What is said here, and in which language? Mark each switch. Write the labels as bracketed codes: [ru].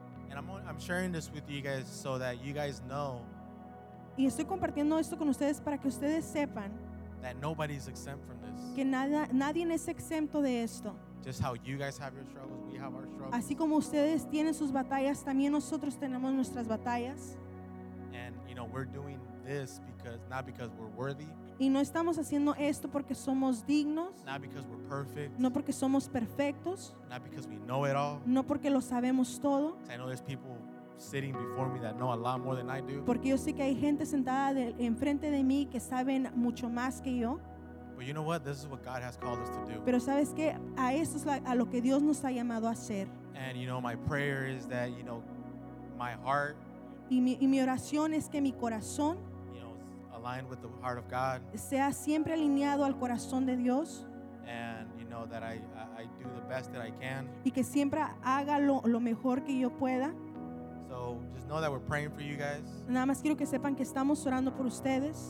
[en] And I'm sharing this with you guys so that you guys know. [es] Y estoy compartiendo esto con ustedes para que ustedes sepan. [en] That nobody is exempt from this. [es] Que nadie es exento de esto. [en] Just how you guys have your struggles, we have our struggles. [es] Así como ustedes tienen sus batallas, también nosotros tenemos nuestras batallas. [en] And you know, we're doing this because not because we're worthy. [es] Y no estamos haciendo esto porque somos dignos. [en] Not because we're perfect. [es] No porque somos perfectos. [en] Not because we know it all. [es] No porque lo sabemos todo. [en] I know there's people sitting before me that know a lot more than I do. [es] Porque yo sé que hay gente sentada enfrente de mí que saben mucho más que yo. [en] But you know what? This is what God has called us to do. [es] Pero sabes qué, a esto es a lo que Dios nos ha llamado a hacer. [en] And you know, my prayer is that, you know, my heart. [es] Y mi oración es que mi corazón. [en] Aligned with the heart of God. [es] Sea siempre alineado al corazón de Dios. [en] And you know that I do the best that I can. [es] Y que siempre haga lo mejor que yo pueda. [en] So just know that we're praying for you guys. [es] Nada más quiero que sepan que estamos orando por ustedes.